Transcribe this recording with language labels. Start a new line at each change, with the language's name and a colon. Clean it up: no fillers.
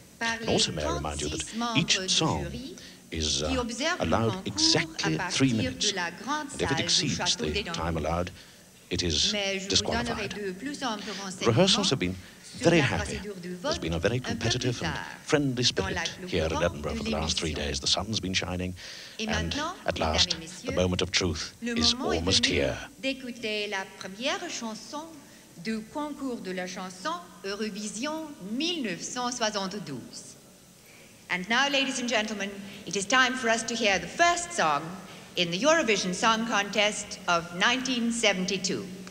English: And also may I remind you that each song is allowed exactly 3 minutes, and if it exceeds the time allowed, it is disqualified. Rehearsals have been very happy. There's been a very competitive and friendly spirit here in Edinburgh for the last 3 days. The sun's been shining, and at last, the moment of truth is almost here.
French: D'écouter la première chanson du concours de la chanson Eurovision 1972.
English: And now, ladies and gentlemen, it is time for us to hear the first song in the Eurovision Song Contest of 1972.